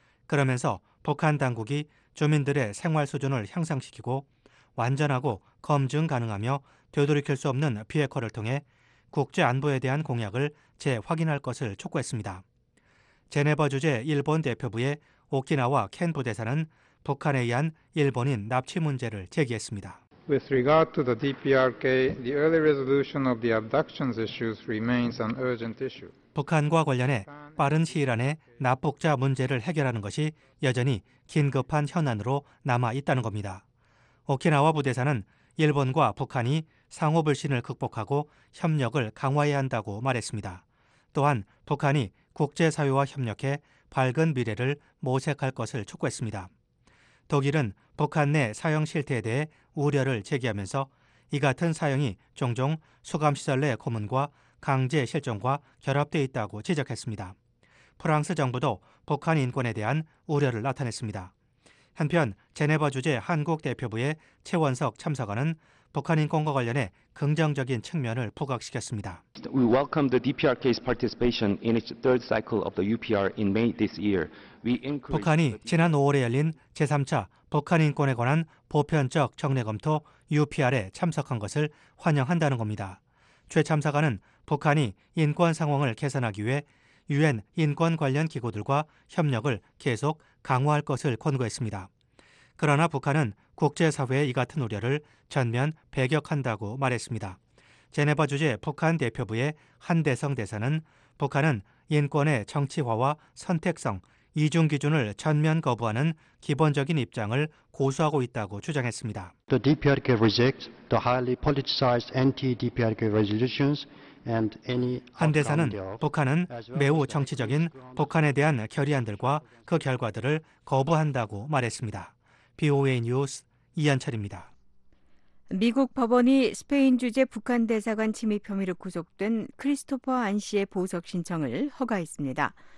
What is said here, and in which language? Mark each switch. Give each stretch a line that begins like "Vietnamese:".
Korean: 그러면서 북한 당국이 주민들의 생활 수준을 향상시키고 완전하고 검증 가능하며 되돌이킬 수 없는 비핵화를 통해 국제 안보에 대한 공약을 재확인할 것을 촉구했습니다. 제네바 주재 일본 대표부의 오키나와 켄 부대사는 북한에 의한 일본인 납치 문제를 제기했습니다.
English: With regard to the DPRK, the early resolution of the abductions issues remains an urgent issue.
Korean: 북한과 관련해 빠른 시일 안에 납북자 문제를 해결하는 것이 여전히 긴급한 현안으로 남아 있다는 겁니다. 오키나와 부대사는 일본과 북한이 상호 불신을 극복하고 협력을 강화해야 한다고 말했습니다. 또한 북한이 국제사회와 협력해 밝은 미래를 모색할 것을 촉구했습니다. 독일은 북한 내 사형 실태에 대해 우려를 제기하면서 이 같은 사형이 종종 수감시설 내 고문과 강제 실종과 결합돼 있다고 지적했습니다. 프랑스 정부도 북한 인권에 대한 우려를 나타냈습니다. 한편 제네바 주재 한국 대표부의 최원석 참사관은 북한 인권과 관련해 긍정적인 측면을 부각시켰습니다.
English: We welcome the DPRK's participation in its third cycle of the UPR in May this year.
Korean: 북한이 지난 5월에 열린 제3차 북한 인권에 관한 보편적 정례 검토 UPR에 참석한 것을 환영한다는 겁니다. 최 참사관은 북한이 인권 상황을 개선하기 위해 유엔 인권 관련 기구들과 협력을 계속 강화할 것을 권고했습니다. 그러나 북한은 국제사회의 이 같은 우려를 전면 배격한다고 말했습니다. 제네바 주재 북한 대표부의 한대성 대사는 북한은 인권의 정치화와 선택성, 이중 기준을 전면 거부하는 기본적인 입장을 고수하고 있다고 주장했습니다.
English: The DPRK rejects the highly politicized anti-DPRK resolutions.
Korean: 한 대사는 북한은 매우 정치적인 북한에 대한 결의안들과 그 결과들을 거부한다고 말했습니다. BOA 뉴스 이한철입니다. 미국 법원이 스페인 주재 북한 대사관 침입 혐의로 구속된 크리스토퍼 안 씨의 보석 신청을 허가했습니다.